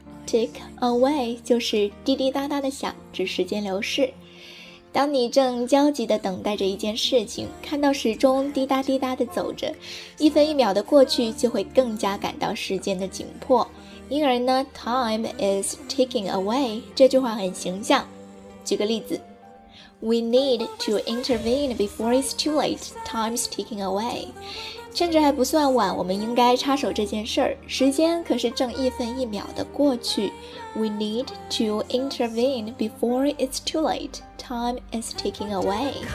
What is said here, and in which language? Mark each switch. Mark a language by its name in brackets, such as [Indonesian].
[Chinese] Tick away 就是滴滴答答的响，指时间流逝。当你正焦急地等待着一件事情，看到时钟滴答滴答地走着，一分一秒的过去就会更加感到时间的紧迫。因而呢 Time is ticking away 这句话很形象。举个例子， [English] We need to intervene before it's too late. Time's ticking away。 [Chinese] 趁着还不算晚，我们应该插手这件事儿。时间可是正一分一秒的过去。 [English] We need to intervene before it's too late. Time is ticking away.